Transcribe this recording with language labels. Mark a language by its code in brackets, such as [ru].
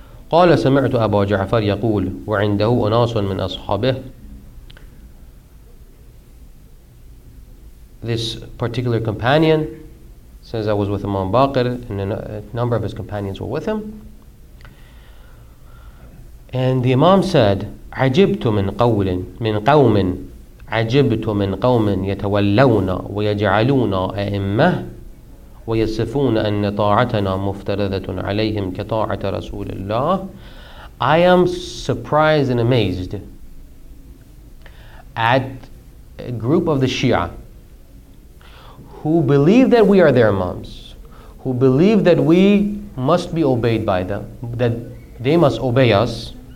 [ar] قال سمعت أبا جعفر يقول وعنده أناس من أصحابه. [en] This particular companion says, I was with Imam Baqir and a number of his companions were with him. And the Imam said, [ar] عجبت من قول من قوم عجبت من قوم يتولون ويجعلون أئمة ويصفون أن طاعتنا مفترضة عليهم كطاعة رسول الله. [en] I am surprised and amazed at a group of the Shia who believe that we are their imams, who believe that we must be obeyed by them, that they must obey us.